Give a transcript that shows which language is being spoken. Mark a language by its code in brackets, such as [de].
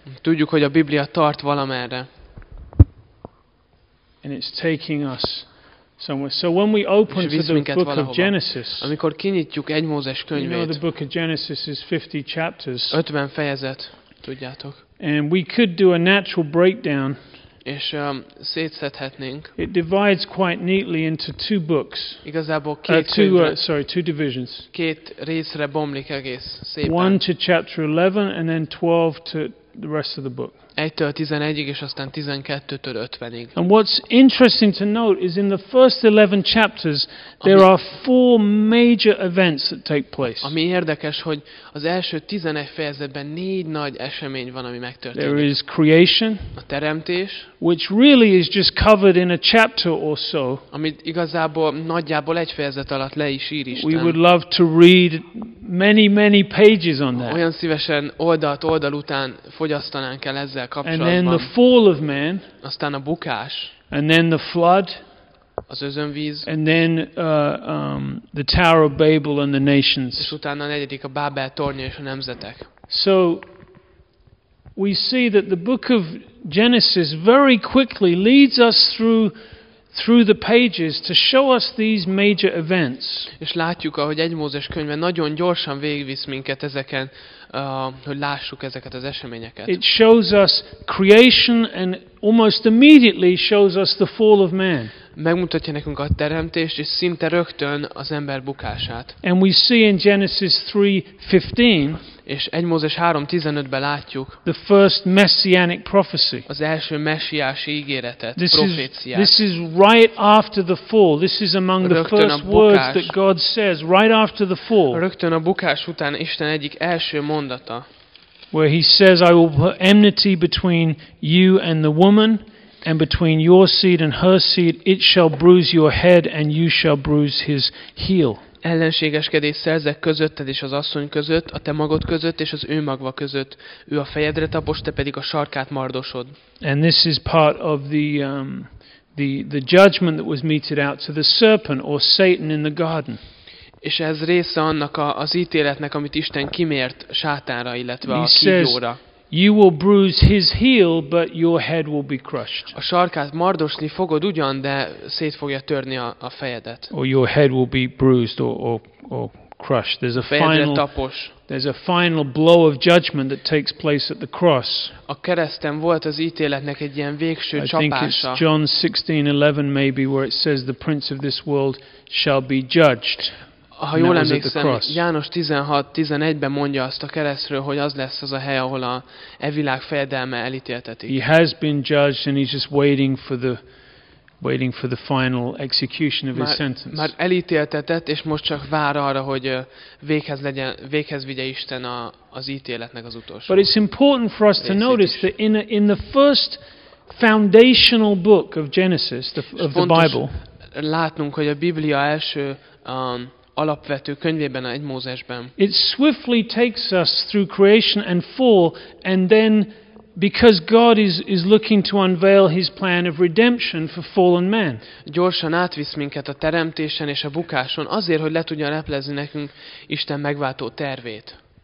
[hu] Tudjuk, hogy a Biblia tart valamerre. [en] And it's taking us somewhere. So when we open to the book [hu] valahova, [en] of Genesis, [hu] amikor kinyitjuk egy Mózes könyvét, [en] you know the book of Genesis is 50 chapters. [hu] 50 fejezet, tudjátok. [en] And we could do a natural breakdown. [hu] És szétszedhetnénk. [en] It divides quite neatly into two books. [hu] Igazából [en] two divisions. [hu] Két részre bomlik egész szépen. [en] 1 to chapter 11 and then 12 to the rest of the book. [hu] 1-től 11-ig és aztán 12-től 50-ig. [en] And what's interesting to note is in the first 11 chapters there are four major events that take place. [hu] Ami érdekes, hogy az első 11 fejezetben négy nagy esemény van, ami megtörténik. [en] There is creation, [hu] a teremtés, [en] which really is just covered in a chapter or so. [hu] Amit igazából nagyjából egy fejezet alatt le is ír Isten. [en] We would love to read many many pages on that. [hu] Olyan szívesen oldalt oldal után fogyasztanánk el ezzel kapcsolatban. [en] And then the fall of man, [hu] aztán a bukás, [en] and then the flood, [hu] az özönvíz, [en] and then the Tower of Babel and the nations. [hu] És utána a negyedik, a Bábel tornya és a nemzetek. [en] So we see that the book of Genesis very quickly leads us through the pages to show us these major events. [hu] És látjuk, ahogy egy Mózes könyve nagyon gyorsan végigvisz minket ezeken, hogy lássuk ezeket az eseményeket. [en] It shows us creation and almost immediately shows us the fall of man. [hu] Megmutatja nekünk a teremtést és szinte rögtön az ember bukását. [en] And we see in Genesis 3:15, [hu] és egy Mózes 3:15-ben látjuk [en] the first messianic prophecy. [hu] Az első messiási ígéretet, proféciát. [en] This is right after the fall. This is among the first words that God says right after the fall. [hu] Rögtön a bukás után Isten egyik első mondata. [en] Where he says, I will put enmity between you and the woman, and between your seed and her seed, it shall bruise your head, and you shall bruise his heel. [hu] Ellenségeskedés szerzek közötted és az asszony között, a te magod között és az ő magva között. Ő a fejedre tapos, te pedig a sarkát mardosod. [en] And this is part of the judgment that was meted out to the serpent or Satan in the garden. [hu] És ez része annak az ítéletnek, amit Isten kimért Sátánra, illetve a kígyóra. [en] You will bruise his heel, but your head will be crushed. [hu] A sarkát mardosni fogod ugyan, de szét fogja törni a fejedet. [en] Or your head will be bruised or crushed. There's a final [hu] tapos. [en] There's a final blow of judgment that takes place at the cross. [hu] A kereszten volt az ítéletnek egy ilyen végső csapása. [en] I think it's John 16:11 maybe, where it says the prince of this world shall be judged. [hu] Ha jól emlékszem, János 16:11-ben mondja azt a keresztről, hogy az lesz az a hely, ahol a e világ fejedelme elítéltetik. [en] He has been judged and he's just waiting for the final execution of his sentence. [hu] Már elítéltetett, és most csak vár arra, hogy véghez vigye Isten az ítéletnek az utolsó. [en] But it's important for us to notice that in the first foundational book of Genesis, of the Bible. [hu] Látnunk, hogy a Biblia első alapvető könyvében, egy Mózesben. [en] It swiftly takes us through creation and fall, and then because God is looking to unveil his plan of redemption for fallen man. [hu] Gyorsan átvisz minket a teremtésen és a bukáson, azért, hogy le tudja leplezni nekünk Isten megváltó tervét.